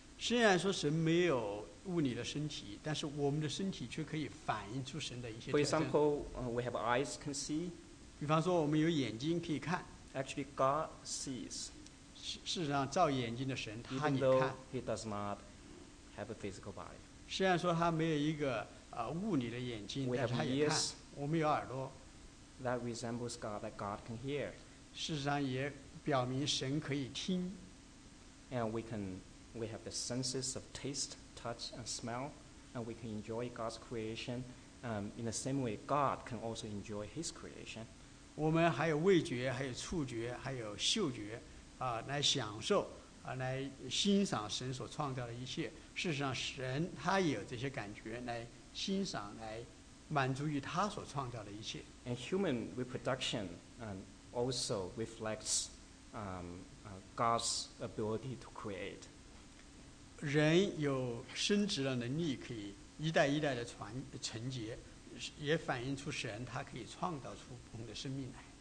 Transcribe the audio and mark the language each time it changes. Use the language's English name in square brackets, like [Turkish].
[Chinese] 虽然说神没有物理的身体，但是我们的身体却可以反映出神的一些特征。 [English] For example, we have eyes can see. [Chinese] 比方说我们有眼睛可以看。 [English] Actually, God sees. [Chinese] 事实上照眼睛的神他也看。 [English] Even though he does not have a physical body. [Chinese] 虽然说他没有一个物理的眼睛，但是他也看。我们有耳朵。 [English] That resembles God, that God can hear. [Chinese] 事实上也表明神可以听。 [English] And we have the senses of taste, touch, and smell, and we can enjoy God's creation. In the same way, God can also enjoy His creation. [Chinese] 我们还有味觉，还有触觉，还有嗅觉，来享受，来欣赏神所创造的一切。事实上，神他也有这些感觉来欣赏，来满足于他所创造的一切。 [English] And human reproduction also reflects God's ability to create. [Chinese] 人有生殖的能力，可以一代一代的传承接，也反映出神他可以创造出不同的生命来。